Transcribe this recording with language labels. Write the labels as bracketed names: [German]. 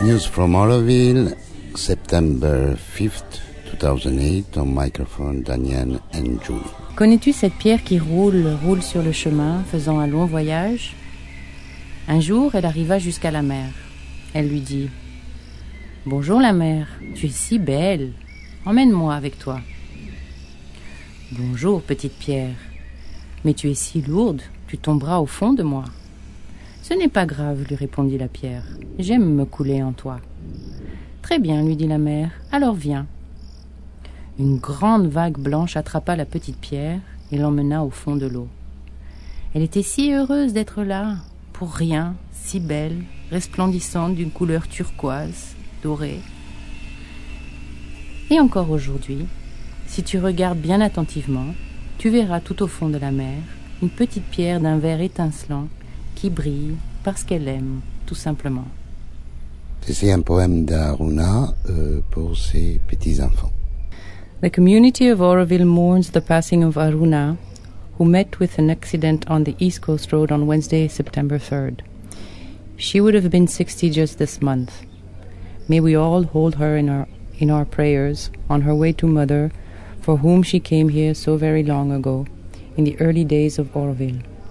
[English] from Auroville, September 5th, 2008, on microphone, Daniel and Julie. [French] Connais-tu cette pierre qui roule sur le chemin, faisant un long voyage? Un jour, elle arriva jusqu'à la mer. Elle lui dit « Bonjour la mer, tu es si belle, emmène-moi avec toi. » « Bonjour petite pierre, mais tu es si lourde, tu tomberas au fond de moi. » « Ce n'est pas grave, lui répondit la pierre, j'aime me couler en toi. »« Très bien, lui dit la mer, alors viens. » Une grande vague blanche attrapa la petite pierre et l'emmena au fond de l'eau. Elle était si heureuse d'être là, pour rien, si belle, resplendissante d'une couleur turquoise, dorée. Et encore aujourd'hui, si tu regardes bien attentivement, tu verras tout au fond de la mer une petite pierre d'un vert étincelant qui brille parce qu'elle aime, tout simplement. C'est un poème d'Aruna pour ses petits-enfants. [English] The community of Auroville mourns the passing of Aruna, who met with an accident on the East Coast Road on Wednesday, September 3rd. She would have been 60 just this month. May we all hold her in our prayers on her way to mother, for whom she came here so very long ago, in the early days of Auroville.